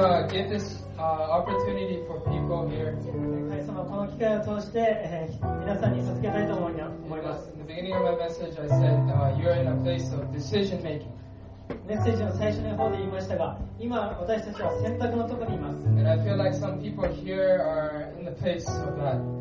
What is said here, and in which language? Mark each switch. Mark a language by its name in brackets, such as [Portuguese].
[English] give this opportunity for people here. [Japanese] 神様、この機会を通して、皆さんに捧げたいと思います。 [English] In the beginning of my message, I said, you're in a place of decision making. [Japanese] メッセージの最初の方で言いましたが、今私たちは選択のところにいます。 [English] And I feel like some people here are in the place of that.